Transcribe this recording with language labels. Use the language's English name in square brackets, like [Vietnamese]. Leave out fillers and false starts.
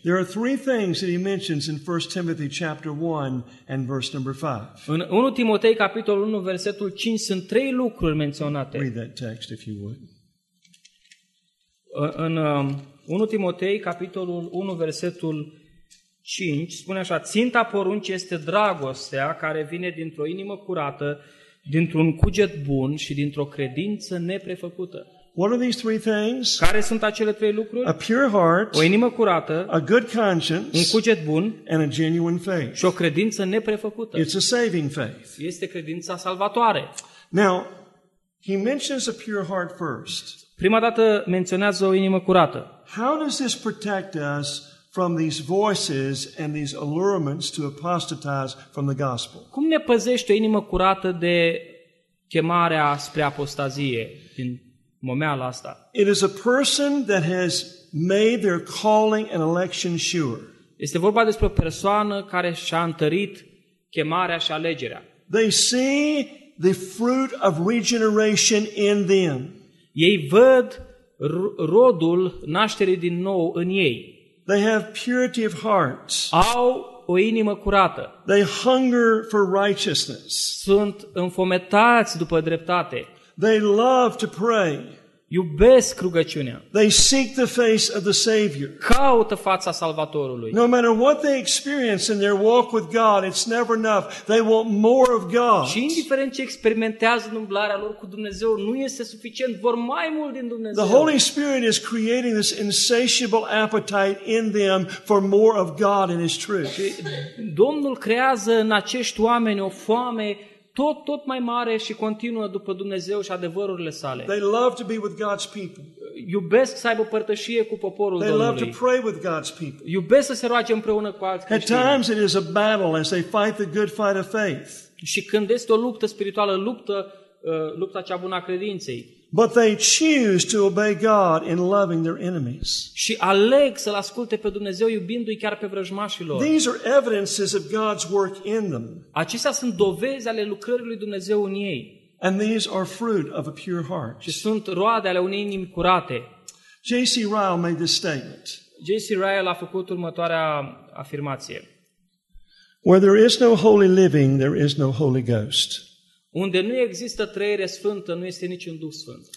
[English] There are three things that he mentions in 1 Timothy chapter 1 and verse number 5. [Romanian] În 1 Timotei capitolul 1 versetul 5 sunt trei lucruri menționate. [English] Read that text if you would. [Romanian] În 1 Timotei capitolul 1 versetul 5 spune așa: ținta poruncii este dragostea care vine dintr-o inimă curată, dintr-un cuget bun și dintr-o credință neprefăcută. [English] What are these three things? [Romanian] Care sunt acele trei lucruri? [English] A pure heart, [Romanian] o inimă curată, [English] a good conscience, [Romanian] un cuget bun, [English] and a genuine faith. [Romanian] Și o credință neprefăcută. [English] It's a saving faith. [Romanian] Este credința salvatoare. [English] Now, he mentions a pure heart first. [Romanian] Prima dată menționează o inimă curată. [English] How does this protect us from these voices and these allurements to apostatize from the gospel? [Romanian] Cum ne păzește o inimă curată de chemarea spre apostazie din momeala asta? [English] It is a person that has made their calling and election sure. [Romanian] Este vorba despre o persoană care și-a întărit chemarea și alegerea. [English] They see the fruit of regeneration in them. [Romanian] Ei văd rodul nașterii din nou în ei. [English] They have purity of heart. [Romanian] Au o inimă curată. [English] They hunger for righteousness. [Romanian] Sunt înfometați după dreptate. [English] They love to pray. [Romanian] Iubesc rugăciunea. [English] They seek the face of the Savior. [Romanian] Caută fața Salvatorului. [English] No matter what they experience in their walk with God, it's never enough. They want more of God. [Romanian] Și indiferent ce experimentează în umblarea lor cu Dumnezeu, nu este suficient, vor mai mult din Dumnezeu. [English] The Holy Spirit is creating this insatiable appetite in them for more of God and His truth. [Romanian] Domnul creează în acești oameni o foame tot mai mare și continuă după Dumnezeu și adevărurile sale. [English] They love to be with God's people. [Romanian] Iubesc să aibă părtășie cu poporul [English] they [Romanian] Domnului. [English] They love to pray with God's people. [Romanian] Iubesc să se roage împreună cu alți creștini. [English] At times it is a battle as they fight the good fight of faith. [Romanian] Și când este o luptă spirituală, lupta cea bună a credinței. [English] But they choose to obey God in loving their enemies. [Romanian] Și aleg să-L asculte pe Dumnezeu iubindu-i chiar pe vrăjmașii lor. [English] These are evidences of God's work in them. [Romanian] Acestea sunt dovezi ale lucrării lui Dumnezeu în ei. [English] And these are fruit of a pure heart. [Romanian] Și sunt roade ale unei inimi curate. [English] J.C. Ryle made this statement. J.C. [Romanian] Ryle a făcut următoarea afirmație. [English] Where there is no holy living, there is no Holy Ghost. [Romanian] Unde nu există trăire sfântă, nu este niciun Duh sfânt.